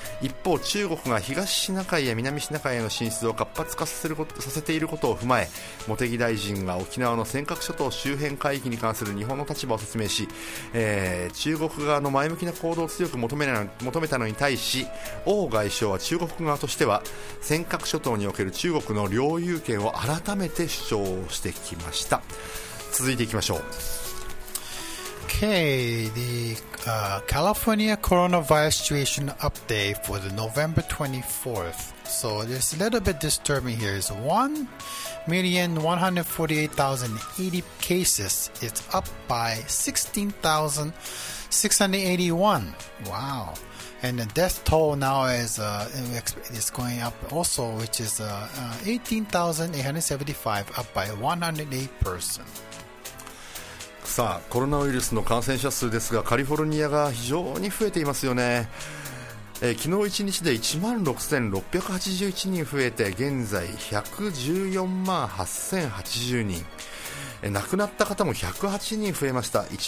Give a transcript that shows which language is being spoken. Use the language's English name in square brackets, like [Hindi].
[Japanese] 一方、中国が東シナ海や南シナ海への進出を活発化させていることを踏まえ、茂木大臣が沖縄の尖閣諸島周辺海域に関する日本の立場を説明し、中国側の前向きな行動を強く求めたのに対し、王外相は中国側としては尖閣諸島における中国の領有権を改めて主張してきました。続いていきましょう。 [English] Okay, the California coronavirus situation update for the November 24th. So it's a little bit disturbing here. It's 1,148,080 cases. It's up by 16,681. Wow. And the death toll now is going up also, which is 18,875, up by 108 persons. [Japanese] さあ、コロナウイルスの感染者数ですが、カリフォルニアが非常に増えていますよね。昨日1日で 16,681 人増えて現在 1,148,080 人、亡くなった方も108人増えました。